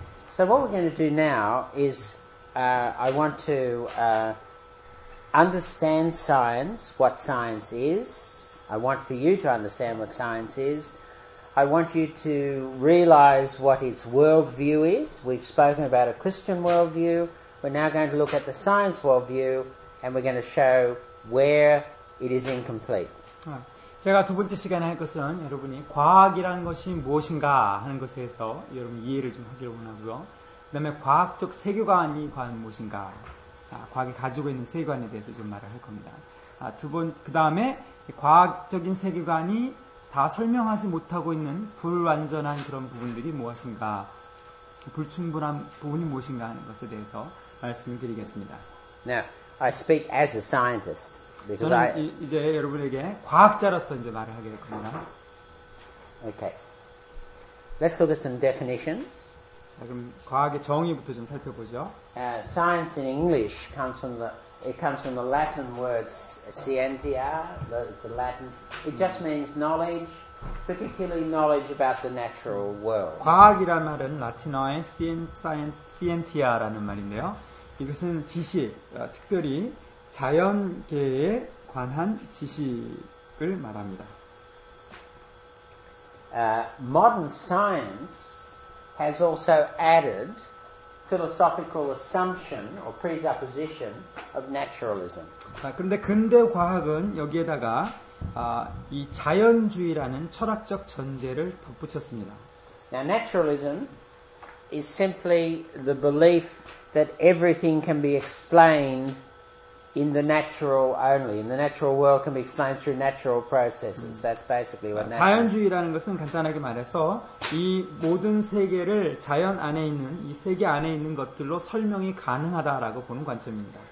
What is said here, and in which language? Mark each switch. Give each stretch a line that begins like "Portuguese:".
English: So what we're going to do now is I want to understand science, what science is. I want for you to understand what science is. I want you to realize what its worldview is. We've spoken about a Christian worldview. We're now going to look at the science worldview, and we're going to show where it is incomplete.
Korean: 제가 두 번째 시간에 할 것은 여러분이 과학이라는 것이 무엇인가 하는 것에 대해서 여러분 이해를 좀 하기로 원하고요. 그 다음에 과학적 세계관이 과연 무엇인가, 과학이 가지고 있는 세계관에 대해서 좀 말을 할 겁니다. 그 다음에 과학적인 세계관이 다 설명하지 못하고 있는 불완전한 그런 부분들이 무엇인가, 불충분한 부분이 무엇인가 하는 것에 대해서 말씀을 드리겠습니다.
English: Now, I speak as a scientist.
Korean: 저는 이제 여러분에게 과학자로서 이제 말을 하게 될 겁니다.
English: Okay. Let's look at some definitions.
Korean: 자, 그럼 과학의 정의부터 좀 살펴보죠.
English: Science in English comes from the Latin word scientia, the Latin. It just means knowledge, particularly knowledge about the natural world.
Korean: 과학이란 말은 라틴어의 scientia라는 말인데요. 이것은 지식, 특별히 자연계에 관한 지식을 말합니다.
English: Modern science has also added philosophical assumption or presupposition of naturalism.
Korean: 그런데 근대 과학은 여기에다가 이 자연주의라는 철학적 전제를 덧붙였습니다.
English: Now, naturalism is simply the belief that everything can be explained in the natural only. In the natural world can be explained through natural processes. That's basically what natural.
Korean: 자연주의라는 것은 간단하게 말해서 이 모든 세계를 자연 안에 있는 이 세계 안에 있는 것들로 설명이 가능하다라고 보는 관점입니다.